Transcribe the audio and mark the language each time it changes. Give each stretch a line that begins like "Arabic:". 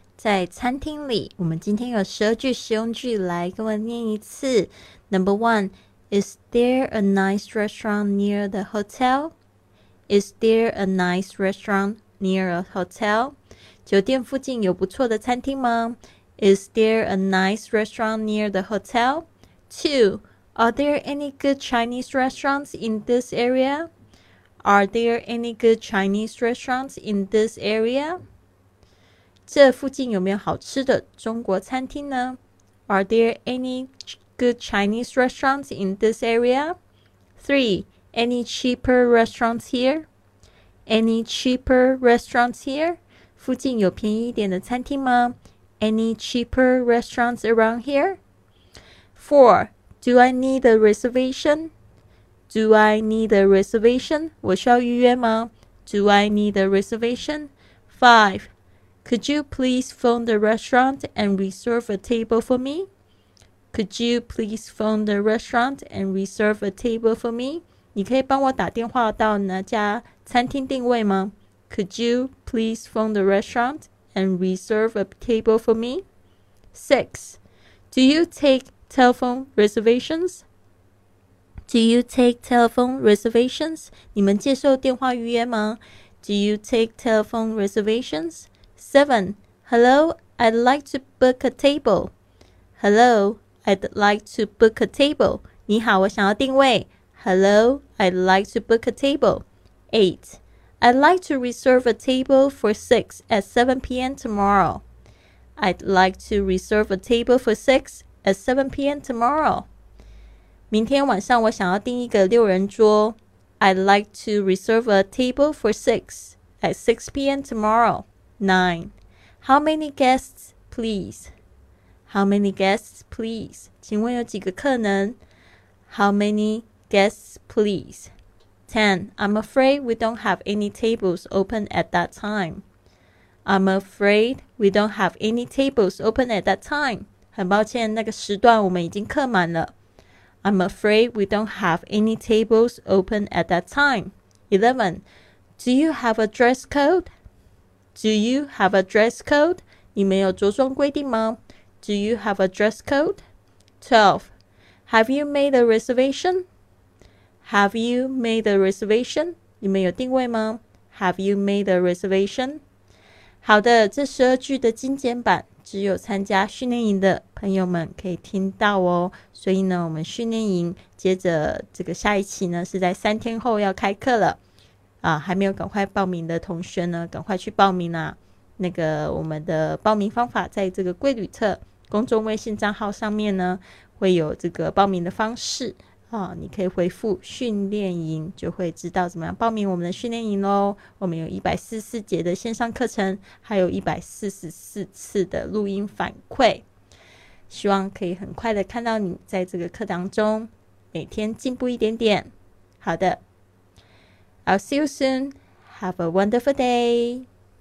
Chinese: 在餐厅里，我们今天有十二句实用句来跟我念一次。
English: Number one, is there a nice restaurant near the hotel? Is there a nice restaurant near a hotel?
Chinese: 酒店附近有不错的餐厅吗?
English: Is there a nice restaurant near the hotel? Two, are there any good Chinese restaurants in this area? Are there any good Chinese restaurants in this area?
Chinese: 这附近有没有好吃的中国餐厅呢?
English: Are there any good Chinese restaurants in this area? 3. Any cheaper restaurants here? Any cheaper restaurants here?
Chinese: 附近有便宜一点的餐厅吗?
English: Any cheaper restaurants around here? 4. Do I need a reservation? Do I need a reservation?
Chinese: 我需要预约吗?
English: Do I need a reservation? 5. Could you please phone the restaurant and reserve a table for me? Could you please phone the restaurant and reserve a table for me?
Chinese: 你可以帮我打电话到那家餐厅定位吗?
English: Could you please phone the restaurant and reserve a table for me? 6. Do you take telephone reservations? Do you take telephone reservations?
Chinese: 你们接受电话预约吗?
English: Do you take telephone reservations? 7. Hello, I'd like to book a table. Hello, I'd like to book a table.
Chinese: 你好,我想要定位。
English: Hello, I'd like to book a table. 8. I'd like to reserve a table for 6 at 7 p.m. tomorrow. I'd like to reserve a table for 6 at 7 p.m. tomorrow.
Chinese: 明天晚上我想要订一个六人桌。
English: I'd like to reserve a table for 6 at 6 p.m. tomorrow. 9. How many guests, please? How many guests, please?
Chinese: 请问有几个客人?
English: How many guests, please? 10. I'm afraid we don't have any tables open at that time. I'm afraid we don't have any tables open at that time.
Chinese: 很抱歉,那个时段我们已经客满了。
English: I'm afraid we don't have any tables open at that time. 11. Do you have a dress code? Do you have a dress code?
Chinese: 你们有着装规定吗?
English: Do you have a dress code? 12. Have you made a reservation? Have you made a reservation?
Chinese: 你们有定位吗?
English: Have you made a reservation?
Chinese: 好的,这十二句的精简版。只有参加训练营的朋友们可以听到哦，所以呢，我们训练营接着这个下一期呢是在三天后要开课了啊，还没有赶快报名的同学呢，赶快去报名啊！那个我们的报名方法在这个贵旅特公众微信账号上面呢会有这个报名的方式啊，你可以回复训练营就会知道怎么样报名我们的训练营咯。我们有144节的线上课程，还有144次的录音反馈，希望可以很快的看到你在这个课堂中每天进步一点点。好的，
English: I'll see you soon. Have a wonderful day.